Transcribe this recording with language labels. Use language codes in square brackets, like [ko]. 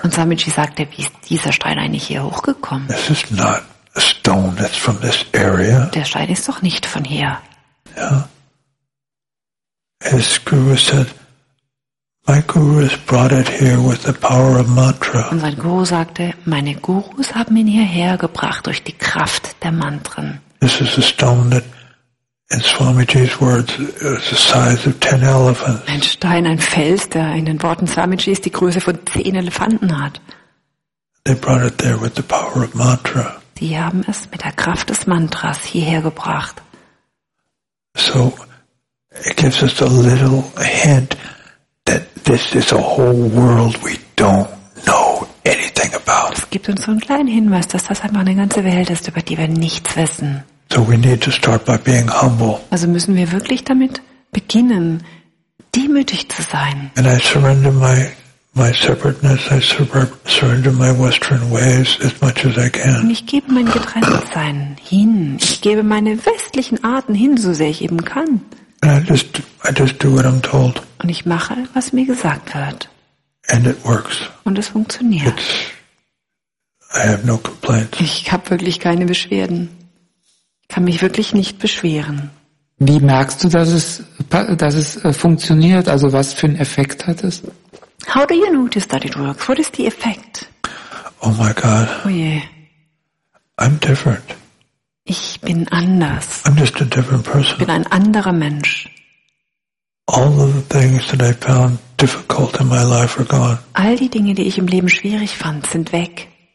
[de] Und Swamiji sagte, wie ist dieser Stein eigentlich hier hochgekommen? [en] This is not a stone that's from this area. [de] Der Stein ist doch nicht von hier. [en] Yeah. His guru said, "My guru has brought it here with the power of mantra." [de] Und sein Guru sagte, meine Gurus haben ihn hierher gebracht durch die Kraft der Mantren. [en] This is a stone that, in Swamiji's words, is the size of 10 elephants. [de] Ein Stein, ein Fels, der in den Worten Swamiji's die Größe von 10 Elefanten hat. [en] They brought it there with the power of mantra. [de] Die haben es mit der Kraft des Mantras hierher gebracht. [en] So, it gives us a little hint. This is a whole world we don't know anything about. [de] Es gibt uns so einen kleinen Hinweis, dass das einfach eine ganze Welt ist, über die wir nichts wissen. [en] So we need to start by being humble. [de] Also müssen wir wirklich damit beginnen, demütig zu sein. [en] And I surrender my separateness, I surrender my Western ways as much as I can. [de] Und ich gebe mein Getrenntsein hin. Ich gebe meine westlichen Arten hin, so sehr ich eben kann. [en] And I just do what I'm told. [de] Und ich mache, was mir gesagt wird. [en] And it works. [de] Und es funktioniert. [en] I have no complaints. [de] Ich habe wirklich keine Beschwerden. Ich kann mich wirklich nicht beschweren. Wie merkst du, dass es funktioniert? Also was für einen Effekt hat es? [en] How do you notice that it works? What is the effect? Oh my God. [de] Oh je. [en] I'm different. [de] Ich bin anders. [en] I'm just a different person. [de] Ich bin ein anderer Mensch. [en] All of the things that I found difficult in my life are gone. [de] All die Dinge, die ich im Leben schwierig fand, sind weg.